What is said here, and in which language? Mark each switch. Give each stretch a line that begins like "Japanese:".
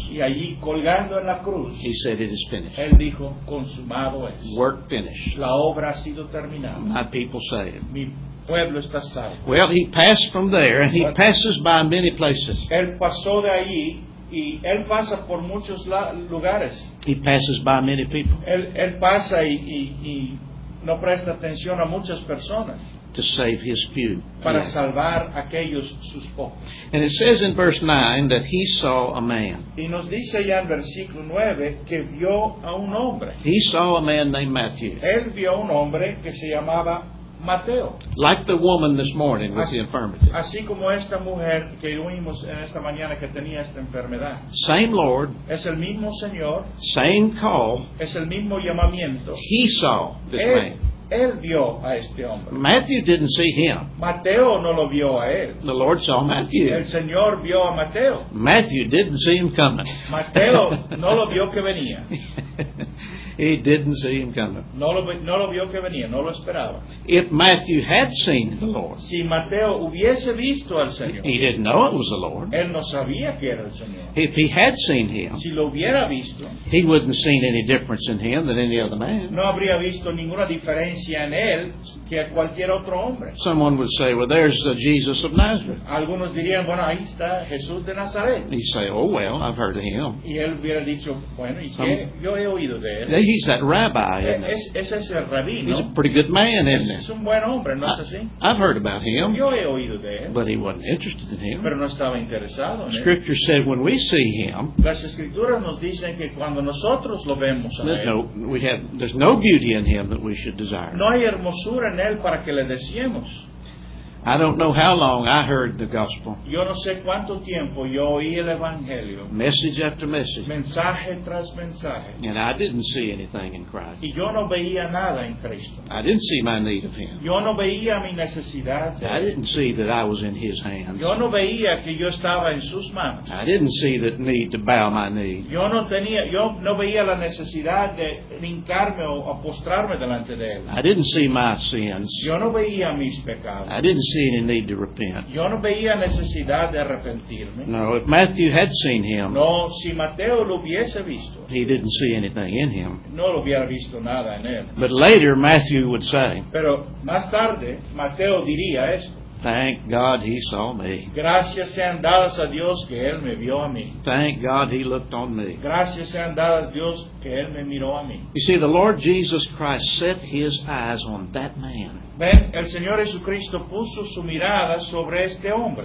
Spanish: Y allí colgando en la cruz.
English: He said, "It is finished."
Spanish: Él dijo, consumado es.
English: Work finished.
Spanish: La obra ha sido terminada.
English: My people saved.
Spanish: Mi pueblo está salvo.
English: Well, he passed from there, and he passes by many places.
Spanish: Él pasó de allí. Y él pasa por muchos lugares.
English: He passes by many people.
Spanish: Él pasa y no presta atención a muchas personas.
English: To save his few.
Spanish: Para salvar aquellos sus pocos.
English: And it says in verse 9 that he saw a man.
Spanish: Y nos dice ya en versículo 9 que vio a un hombre.
English: He saw a man named Matthew.
Spanish: Él vio un hombre que se llamaba Mateo.
English: Like the woman this morning with the infirmity.
Spanish: Así como esta mujer que oímos en esta mañana que tenía esta enfermedad.
English: Same Lord.
Spanish: Es el mismo Señor.
English: Same call.
Spanish: Es el mismo llamamiento.
English: He saw this man.
Spanish: Él vio a este hombre.
English: Matthew didn't see him.
Spanish: Mateo no lo vio a él.
English: The Lord saw Matthew.
Spanish: El Señor vio a Mateo.
English: Matthew didn't see him coming.
Spanish: Mateo no lo vio que venía.
English: He didn't see him coming.
Spanish: No lo vio que venía, no lo esperaba.
English: If Matthew had seen the Lord.
Spanish: Si Mateo hubiese visto al Señor.
English: He didn't know it was the Lord.
Spanish: Él no sabía que era el Señor.
English: If he had seen him.
Spanish: Si lo hubiera visto.
English: He wouldn't have seen any difference in him than any other man.
Spanish: No habría visto ninguna diferencia en él que a cualquier otro hombre.
English: Someone would say, "Well, there's the Jesus of Nazareth."
Spanish: Algunos dirían, "Bueno, ahí está Jesús de Nazaret."
English: He'd say, "Oh, well, I've heard of him."
Spanish: Y él hubiera dicho, "Bueno, ¿y qué? Yo he oído de él."
English: He's that rabbi, isn't
Spanish: he? Es ese rabí, ¿no?
English: He's a pretty good man, isn't he?
Spanish: Es un buen hombre, ¿no es así?
English: I've heard about him.
Spanish: Yo he oído de él.
English: But he wasn't interested in him.
Spanish: Pero no estaba interesado en él.
English: Scripture said when we see him.
Spanish: Las escrituras nos dicen que cuando nosotros lo vemos a él.
English: There's no beauty in him that we should desire.
Spanish: No hay hermosura en él para que le deseemos.
English: I don't know how long I heard the gospel.
Spanish: Yo no sé cuánto tiempo yo oí el evangelio.
English: Message after message.
Spanish: Mensaje tras mensaje.
English: And I didn't see anything in Christ.
Spanish: Y yo no veía nada en Cristo.
English: I didn't see my need of him.
Spanish: Yo no veía mi necesidad.
English: I didn't see that I was in his hands.
Spanish: Yo no veía que yo estaba en sus manos.
English: I didn't see that need to bow my knee.
Spanish: Yo no veía la necesidad de hincarme o postrarme delante de él.
English: I didn't see my sins.
Spanish: Yo no veía mis pecados.
English: I didn't see any need to repent.
Spanish: Yo no veía necesidad de arrepentirme.
English: No, if Matthew had seen him,
Spanish: no, si Mateo lo hubiese visto,
English: he didn't see anything in him.
Spanish: No lo hubiera visto nada en él.
English: But later Matthew would say,
Spanish: pero más tarde, Mateo diría esto,
English: "Thank God he saw me."
Spanish: Gracias sean dadas a Dios que él me vio a mí.
English: "Thank God he looked on me."
Spanish: Gracias sean dadas a Dios que él me miró a mí.
English: You see, the Lord Jesus Christ set his eyes on that man.
Spanish: Ven, el Señor Jesucristo puso su mirada sobre este hombre.